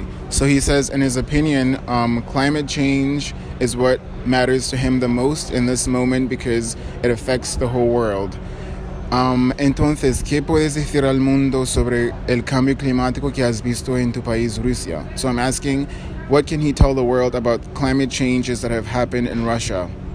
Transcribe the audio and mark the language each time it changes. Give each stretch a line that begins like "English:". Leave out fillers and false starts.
English: So he says, in his opinion, climate change is what matters to him the most in this moment because it affects the whole world.
Spanish: Entonces, ¿qué puedes decir al mundo sobre el cambio climático que has visto en tu país, Rusia?
English: So I'm asking, what can he tell the world about climate changes that have happened in Russia?